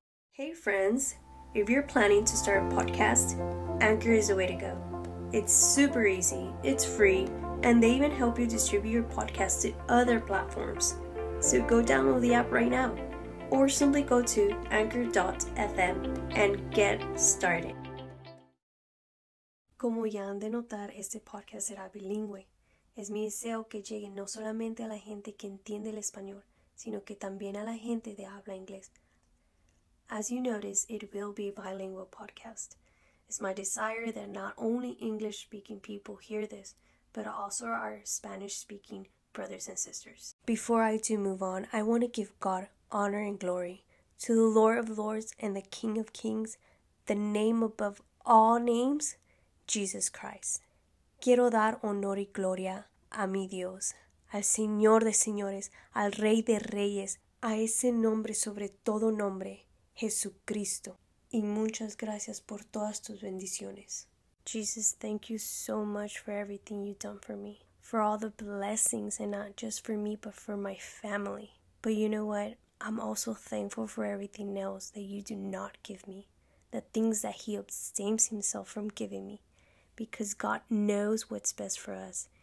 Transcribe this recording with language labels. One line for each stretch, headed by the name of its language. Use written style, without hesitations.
English: Hey friends, if you're planning to start a podcast, Anchor is the way to go. It's super easy, it's free, and they even help you distribute your podcast to other platforms. So go download the app right now. Or simply go to anchor.fm and get started.
Spanish: Como ya han de notar, este podcast será bilingüe. Es mi deseo que llegue no solamente a la gente que entiende el español, sino que también a la gente de habla inglés.
English: As you notice, it will be a bilingual podcast. It's my desire that not only English-speaking people hear this, but also our Spanish-speaking brothers and sisters. Before I do move on, I want to give God honor and glory to the Lord of Lords and the King of Kings, the name above all names, Jesus Christ.
Spanish: Quiero dar honor y gloria a mi Dios, al Señor de Señores, al Rey de Reyes, a ese nombre sobre todo nombre, Jesucristo. Y muchas gracias por todas tus bendiciones.
English: Jesus, thank you so much for everything you've done for me, for all the blessings, and not just for me, but for my family. But you know what? I'm also thankful for everything else that you do not give me, the things that he abstains himself from giving me, because God knows what's best for us.